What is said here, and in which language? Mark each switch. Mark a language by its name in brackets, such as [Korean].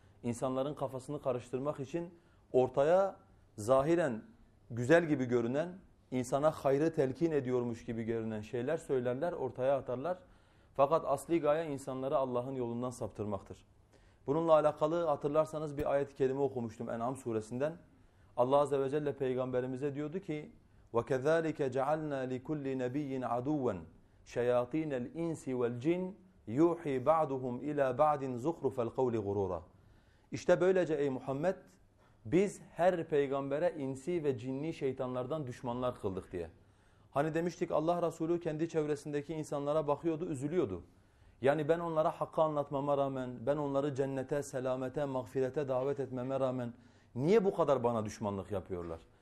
[Turkish] İnsanların kafasını karıştırmak için ortaya zahiren güzel gibi görünen, insana hayrı telkin ediyormuş gibi görünen şeyler söylerler, ortaya atarlar. Fakat asli gaye insanları Allah'ın yolundan saptırmaktır. Bununla alakalı hatırlarsanız bir ayet-i kerime okumuştum En'am suresinden. Allah Azze ve Celle peygamberimize diyordu ki, [Arabic] وَكَذَٰلِكَ جَعَلْنَا لِكُلِّ نَبِيٍّ عَدُوًّا شَيَاطِينَ الْاِنْسِ وَالْجِنِّ يُوحِي بَعْضُهُمْ اِلَى بَعْدٍ زُخْرُفَ الْقَوْلِ غُرُورًا. [Turkish] İşte böylece ey Muhammed, biz her peygambere insi ve cinni şeytanlardan düşmanlar kıldık diye. Hani demiştik, Allah Resulü kendi çevresindeki insanlara bakıyordu, üzülüyordu. Yani ben onlara hakkı anlatmama rağmen, ben onları cennete, selamete, mağfirete davet etmeme rağmen niye bu kadar bana düşmanlık yapıyorlar?